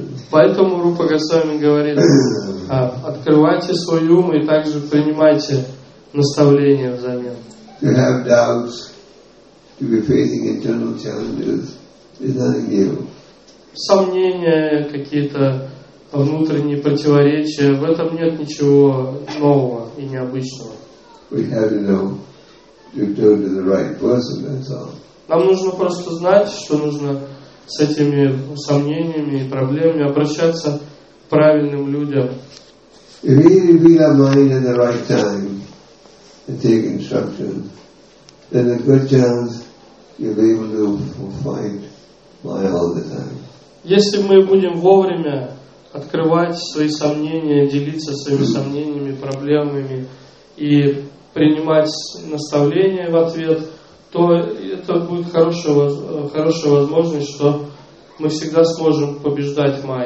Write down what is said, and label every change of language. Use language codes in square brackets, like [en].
[ru] Поэтому Рупа Госвами говорит, открывайте свой ум и также принимайте наставления взамен. [en] To have doubts, to be facing internal challenges, is nothing new. [ru] Сомнения, какие-то внутренние противоречия, в этом нет ничего нового и необычного. [en] We have to know to turn to the right person, that's all. [ru] Нам нужно просто знать, что нужно с этими сомнениями и проблемами обращаться к правильным людям. [en] If we reveal our mind at the right time and take instructions, then a good chance you'll be able to fight my all the time. [ru] Если мы будем вовремя открывать свои сомнения, делиться своими сомнениями, проблемами и принимать наставления в ответ, то это будет хорошая возможность, что мы всегда сможем побеждать